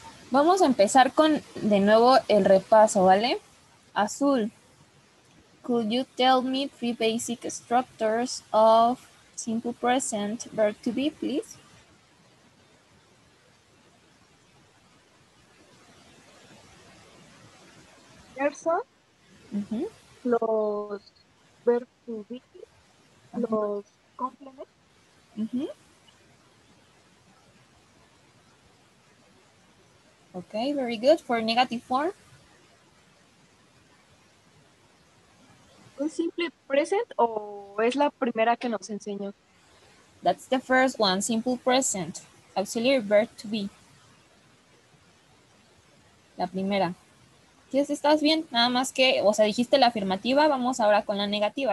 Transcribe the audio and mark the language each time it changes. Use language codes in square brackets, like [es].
[es] Vamos a empezar con de nuevo el repaso, ¿vale? Azul. [en] Could you tell me three basic structures of simple present verb to be, please? [es] Los verbos to be, los complementos. [en] Okay, very good. For negative form, [es] un simple present o es la primera que nos enseñó. [en] That's the first one, simple present, auxiliary verb to be. [es] La primera. ¿Qué es? ¿Estás bien? Nada más que, o sea, dijiste la afirmativa, vamos ahora con la negativa.